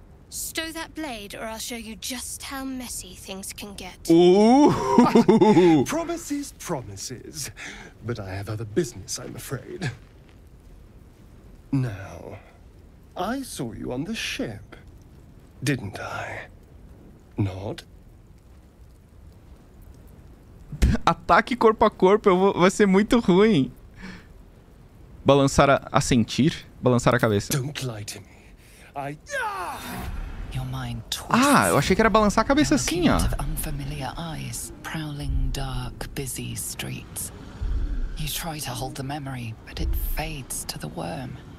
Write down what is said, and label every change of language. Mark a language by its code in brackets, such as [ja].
[en] Stow that blade or I'll show you just how messy things can get. Promises, promises. But I have other business, I'm afraid. Now. I saw you on the ship, didn't I? Not? [pt] Ataque corpo a corpo, vai ser muito ruim. Balançar a sentir, balançar a cabeça. [en] Don't lie to me. I... Your mind twists. [pt] Ah, eu achei que era balançar a cabeça assim, ó. [en] Unfamiliar eyes, prowling dark, busy streets. You try to hold the memory, but it fades to the worm.